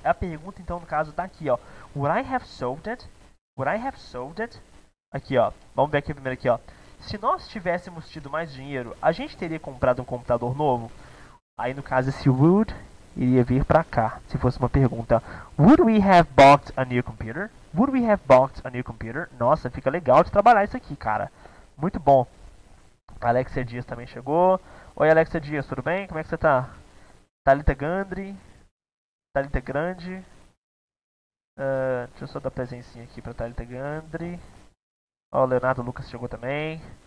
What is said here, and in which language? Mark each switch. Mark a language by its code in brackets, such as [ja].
[pt] A pergunta então, no caso, tá aqui, ó. [en] Would I have solved it? Would I have solved it? [pt] Aqui, ó. Vamos ver aqui primeiro aqui, ó. Se nós tivéssemos tido mais dinheiro, a gente teria comprado um computador novo? Aí, no caso, esse would iria vir pra cá, se fosse uma pergunta. [en] Would we have bought a new computer? Would we have bought a new computer? [pt] Nossa, fica legal de trabalhar isso aqui, cara. Muito bom. Alexia Dias também chegou. Oi, Alexia Dias, tudo bem? Como é que você tá? Talita Gandri? Talita Grande? Deixa eu só dar presencinha aqui pra Talita Gandri. Ó, Leonardo Lucas chegou também.